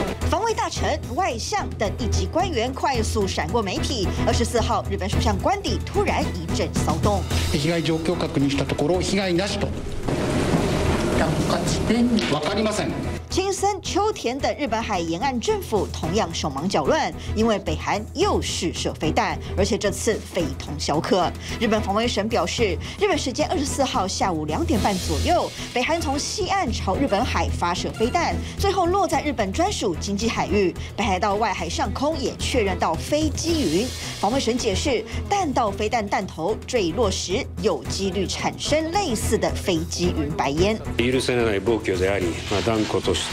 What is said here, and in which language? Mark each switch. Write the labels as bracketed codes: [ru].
[zh] 防卫大臣、外相等一级官员快速闪过媒体。 24号，日本首相官邸突然一阵骚动。 [ja] 被害状況確認したところ、被害なしと。わかりません。 [zh] 青森秋田的日本海沿岸政府同样手忙脚乱，因为北韩又试射飞弹，而且这次非同小可。日本防卫省表示，日本时间24号下午2点半左右，北韩从西岸朝日本海发射飞弹，最后落在日本专属经济海域。北海道外海上空也确认到飞机云。防卫省解释，弹道飞弹弹头坠落时，有几率产生类似的飞机云白烟。 [ja] 許せない暴挙であり、断固と。